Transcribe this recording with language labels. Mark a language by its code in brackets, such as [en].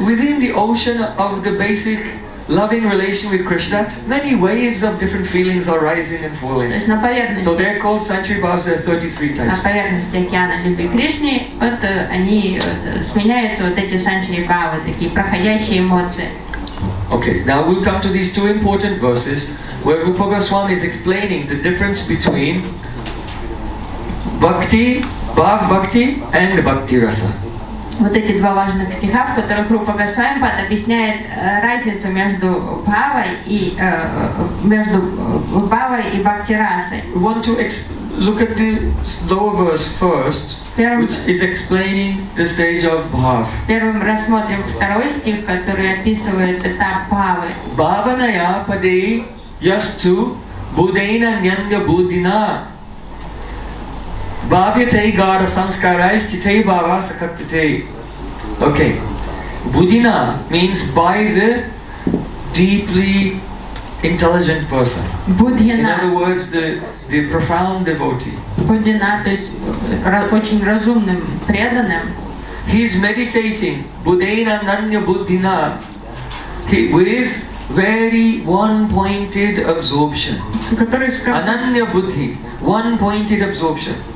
[en] Within the ocean of the basic loving relation with Krishna, many waves of different feelings are rising and falling. So they're called Sanchari Bhavas, 33 types. [ru] На поверхности океана любви Кришны, вот они сменяются, вот эти Sanchari Bhavas, такие проходящие эмоции. [en] Okay, now we'll come to these two important verses where Rupa Goswami is explaining the difference between Bhakti, Bhav Bhakti and Bhakti Rasa. [ru] Вот эти два важных стиха, в которых Рупа Госвами Пад объясняет разницу между Бхавой и между Бхавой и Бхакти Расой. [en] We want to look at the lower verse first, which is explaining the stage of Bhav. [ru] Первым рассмотрим второй стих, который описывает этап Бхавы. [sa] Бхаваная падей ясту будейна нянга будина. Bhavyatei gara sanskarais titei bhava sakattitei. Okay. [en] Budina means by the deeply intelligent person. [sa] Budhina. [en] In other words, the profound devotee. [ru] Budina, то есть очень разумным, преданным. [en] He's meditating. [sa] Budena nanya budina. [en] With very one-pointed absorption. Ananya buddhi. One-pointed absorption.